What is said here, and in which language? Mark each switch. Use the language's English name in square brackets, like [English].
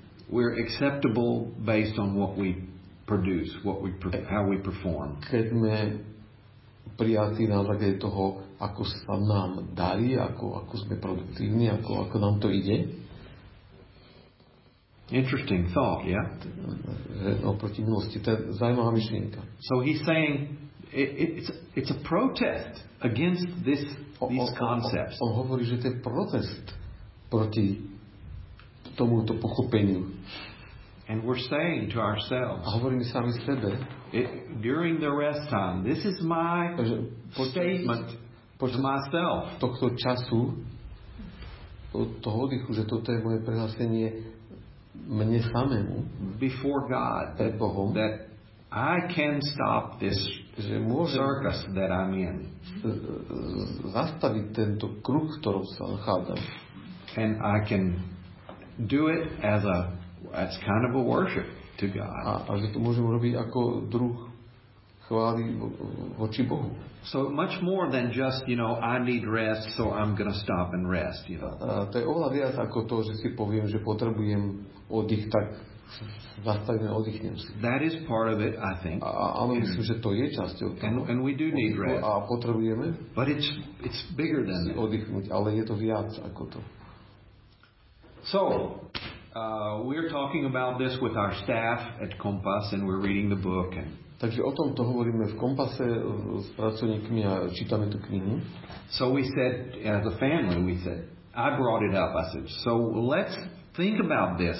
[English] We're acceptable based on what we produce, how we perform. [Slovak] Keď sme prijatí na základe toho, ako sa nám darí, ako sme produktívni, ako nám to ide. [English] Interesting thought, yeah? [Slovak] Oproti minulosti, to je zaujímavá myšlienka. [English] So he's saying it's a protest against these concepts. [Slovak] On hovorí, že to je protest proti tomuto pochopeniu. [English] And we're saying to ourselves, [Slovak] a hovoríme sami sebe, [English] during the rest time, this is my statement [Slovak] tohto času, toho oddychu, že toto je moje prehlásenie mne samému, [English] before God, [Slovak] pred Bohom, [English] that I can stop this circus that I'm in. [Slovak] Zastaviť tento kruh, ktorom sa nachádzam. [English] And I can do it as kind of a worship to God. [Slovak] A že to môžem robiť ako druh chvály voči Bohu. [English] So much more than just, you know, I need rest, so I'm going to stop and rest, you know. [Slovak] To je oveľa viac ako to, že si poviem, že potrebujem oddych, tak zastavím a oddychnem si. [English] That is part of it, I think. [Slovak] A myslím, mm-hmm. že to je časťou toho. [English] And we do need rest. [Slovak] A potrebujeme. [English] But it's bigger than that. [Slovak] Oddychnúť, ale je to viac ako to. [English] So, we're talking about this with our staff at Compass, and we're reading the book, and [Slovak] takže o tomto hovoríme v Kompase s pracovníkmi a čítame tú knihu. [English] So we said, as a family, we said, I brought it up. I said, so let's think about this.